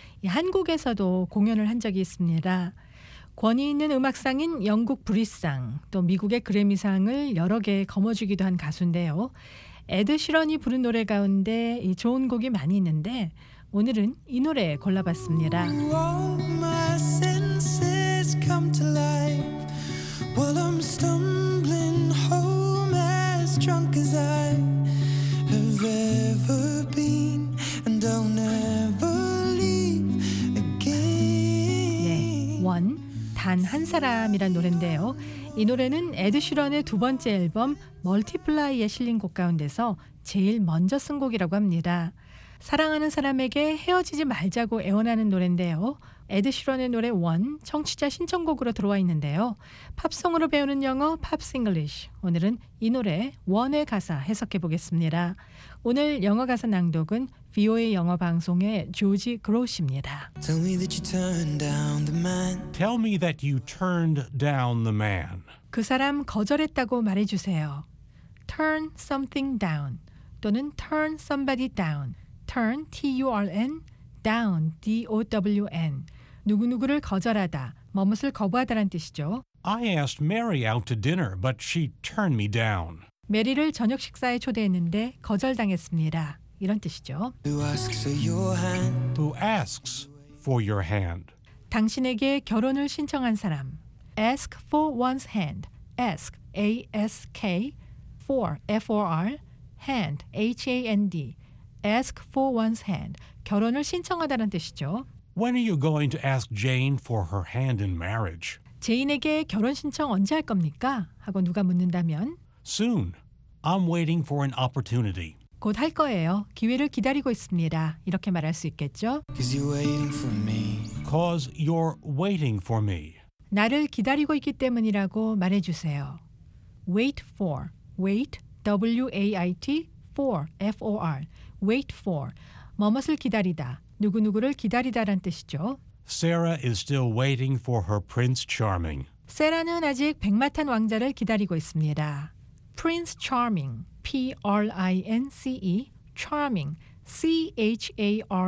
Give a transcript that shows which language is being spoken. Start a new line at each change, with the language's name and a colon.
Korean: 이 한국에서도 공연을 한 적이 있습니다. 권위 있는 음악상인 영국 브릿상, 또 미국의 그래미상을 여러 개 거머쥐기도 한 가수인데요. 에드 시런이 부른 노래 가운데 이 좋은 곡이 많이 있는데 오늘은 이 노래 골라봤습니다.
English: All my senses come to life while I'm stumbling home as drunk as I have ever been and I'll never leave again.
Korean: 네, 단 한 사람이란 노래인데요. 이 노래는 에드 시런의 두 번째 앨범 멀티플라이에 실린 곡 가운데서 제일 먼저 쓴 곡이라고 합니다. 사랑하는 사람에게 헤어지지 말자고 애원하는 노래인데요. 에드 시런의 노래 원, 청취자 신청곡으로 들어와 있는데요. 팝송으로 배우는 영어 팝스 잉글리쉬. 오늘은 이 노래 원의 가사 해석해 보겠습니다. 오늘 영어 가사 낭독은 VOA 영어 방송의 조지 그로시입니다.
English: Tell me that you turned down the man. Tell me that you turned down the man.
Korean: 그 사람 거절했다고 말해 주세요.
English: Turn something down 또는 turn somebody down. Turn, T-U-R-N, down, D-O-W-N.
Korean: 누구누구를 거절하다, 머뭇을 거부하다란 뜻이죠.
English: I asked Mary out to dinner, but she turned me down.
Korean: 메리를 저녁 식사에 초대했는데 거절당했습니다. 이런 뜻이죠.
English: Who asks for your hand? Who asks for your hand?
Korean: 당신에게 결혼을 신청한 사람.
English: Ask for one's hand. Ask, A-S-K, for, F-O-R, hand, H-A-N-D. Ask for one's hand.
Korean: 결혼을 신청하다는 뜻이죠.
English: When are you going to ask Jane for her hand in marriage?
Korean: 제인에게 결혼 신청 언제 할 겁니까? 하고 누가 묻는다면
English: Soon. I'm waiting for an opportunity.
Korean: 곧 할 거예요. 기회를 기다리고 있습니다. 이렇게 말할 수 있겠죠?
English: Because you're waiting for me. Because you're waiting for me.
Korean: 나를 기다리고 있기 때문이라고 말해 주세요.
English: Wait for. Wait. W-A-I-T. For. F-O-R. Wait for.
Korean: 뭐뭇을 기다리다. 누구누구를 기다리다란 뜻이죠.
English: Sarah is still waiting for her Prince Charming.
Korean: 세라는 아직 백마탄 왕자를 기다리고 있습니다.
English: Prince Charming, P-R-I-N-C-E, Charming, C-H-A-R-M-I-N-G.